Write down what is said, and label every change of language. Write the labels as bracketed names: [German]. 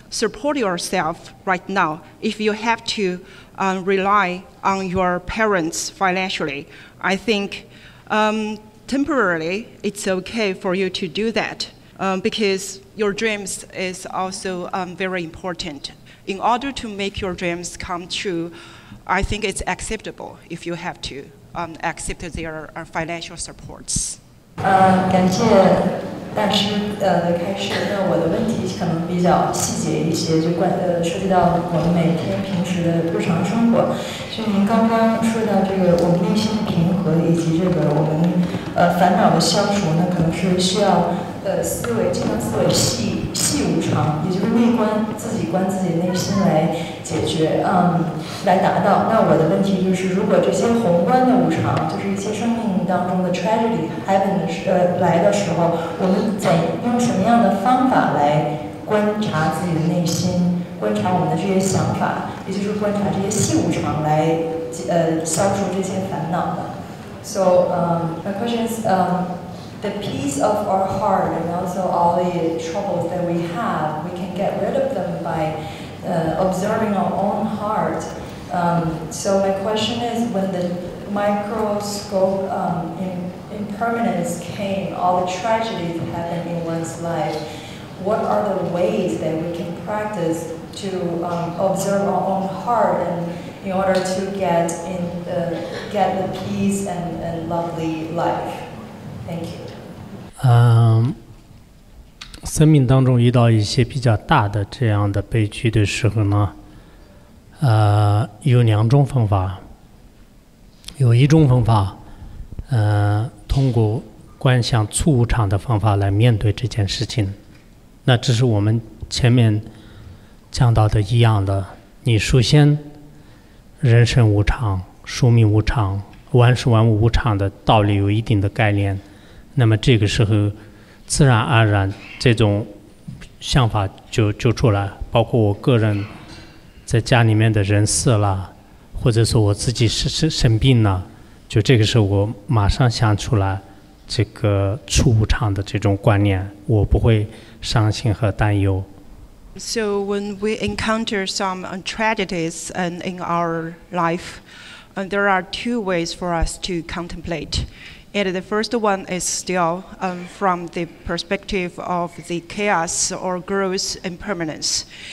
[English] support yourself right now. If you have to rely on your parents financially, I think temporarily it's okay for you to do that because your dreams is also very important. In order to make your dreams come true, I think it's acceptable if you have to accept their financial supports. [Chinese] 感谢大师的开示。那我的问题可能比较细节一些，就关涉及到我们每天平时的日常生活。就您刚刚说到这个，我们内心的平和以及这个我们烦恼的消除，那可能是需要思维，经常思维细无常，也就是内观，自己观自己内心来解决，来达到。那我的问题就是，如果这些宏观的无常，就是一些生命当中的 [English] tragedy happen [Chinese] 来的时候，我们怎用什么样的方法来观察自己的内心，观察我们的这些想法，也就是观察这些细无常来消除这些烦恼呢？ [English] So my question is the peace of our heart and also all the troubles that we have, we can get rid of them by observing our own heart. So my question is, when the microscope impermanence came, all the tragedies happened in one's life, what are the ways that we can practice to observe our own heart and in order to get the peace and lovely life? Thank you. [Chinese] 生命当中遇到一些比较大的这样的悲剧的时候呢，有两种方法。有一种方法，通过观想粗无常的方法来面对这件事情。那这是我们前面讲到的一样的，你首先人生无常、寿命无常、万事万物无常的道理有一定的概念，那么这个时候自然而然这种想法就出来，包括我个人在家里面的人死了，或者说我自己生病了，就这个时候我马上想出来这个粗无常的这种观念，我不会伤心和担忧。 [English] So when we encounter some tragedies in our life, there are two ways for us to contemplate. And the first one is still from the perspective of the chaos or gross impermanence.